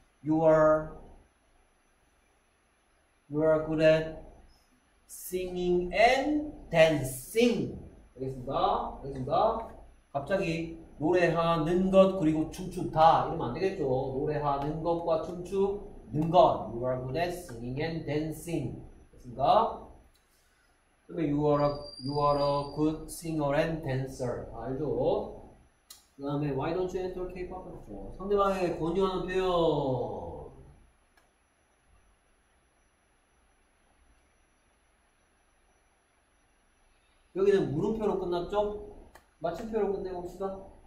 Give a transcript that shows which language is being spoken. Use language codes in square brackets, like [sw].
[en] You are good at singing and dancing. [ko] 알겠습니다. 알겠습니다. 갑자기 노래하는 것 그리고 춤추다 이러면 안 되겠죠. 노래하는 것과 춤추는 것. [en] You are good at singing and dancing. 그니까 you are a good singer and dancer. [ko] 알죠? 그 다음에 [en] why don't you enter K-pop? [ko] 상대방에게 권유하는 표현. 여기는 물음표로 끝났죠? 마침표로 끝내고 봅시다.